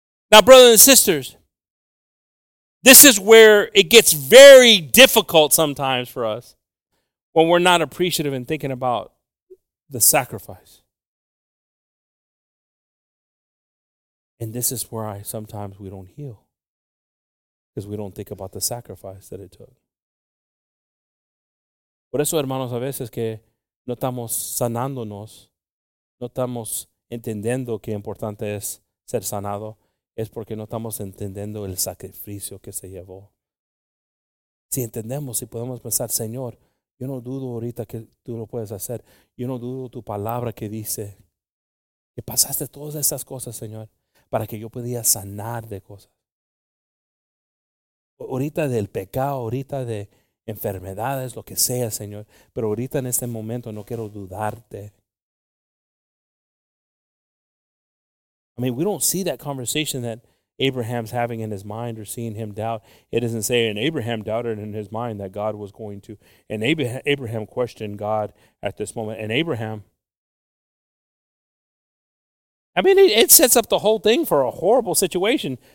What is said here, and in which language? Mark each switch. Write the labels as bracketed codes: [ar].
[en] Now, brothers and sisters, this is where it gets very difficult sometimes for us when we're not appreciative and thinking about the sacrifice. And this is where sometimes we don't heal, because we don't think about the sacrifice that it took. [es] Por eso, hermanos, a veces que no estamos sanándonos, no estamos entendiendo qué importante es ser sanado, es porque no estamos entendiendo el sacrificio que se llevó. Si entendemos, si podemos pensar, Señor, yo no dudo ahorita que tú lo puedes hacer. Yo no dudo tu palabra que dice que pasaste todas esas cosas, Señor, para que yo pudiera sanar de cosas. Ahorita del pecado, ahorita de enfermedades, lo que sea, Señor. Pero ahorita en este momento no quiero dudarte. [en] I mean, we don't see that conversation that Abraham's having in his mind or seeing him doubt. It doesn't say, and Abraham doubted in his mind that God was going to. And Abraham questioned God at this moment. And Abraham, I mean, it sets up the whole thing for a horrible situation.